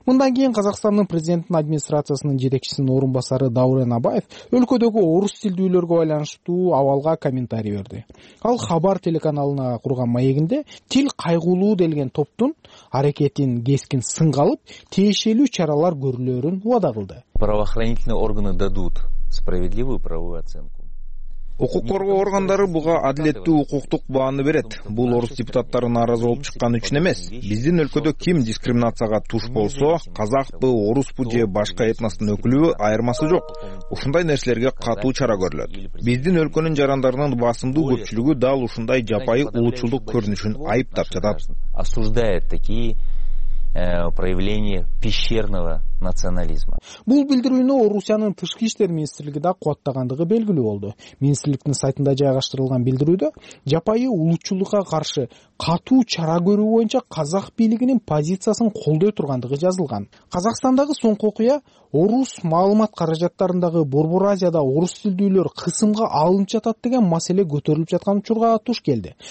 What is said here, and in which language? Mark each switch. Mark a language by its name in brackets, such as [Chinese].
[Kyrgyz] Мындан кийин Казакстандын президенттин администрациясынын жетекчисинин орун басары Даурен Абаев өлкөдөгү орус тилдүүлөргө байланыштуу абалга комментарий берди. Ал Хабар телеканалына курган маегинде тил кайгылуу делген топтун аракетин кескин сынга алып, тиешелүү чаралар көрүлөрүн убада кылды. [Russian] Правоохранительные органы дадут справедливую правовую оценку. [Kyrgyz] Укук коргоо органдары буга адилеттүү укуктук бааны берет. Бул орус депутаттары нааразы болуп чыккан үчүн эмес. Биздин өлкөдө ким дискриминацияга туш болсо, казакпы, оруспу же башка этностун өкүлүбү, айырмасы жок. Ушундай нерселерге катуу чара көрүлөт. Биздин өлкөнүн жарандарынын басымдуу көпчүлүгү дал ушундай жапайы улутчулдук көрүнүшүн айыптап жатат. [Russian] Осуждает такие проявление пещерного национализма. [Kyrgyz] Бул билдирүүнү Орусиянын тышкы иштер министрлиги да кууттагандыгы белгилүү болду. Министрликтин сайтында жайгаштырылган билдирүүдө жапайы улутчулдукка каршы катуу чара көрүү боюнча казак бийлигинин позициясын колдой тургандыгы жазылган. Казакстандагы соңку окуя орус маалымат каражаттарындагы Борбор Азияда орус тилдүүлөр кысымга алынып жатат деген маселе көтөрүлүп жаткан учурга туш келди.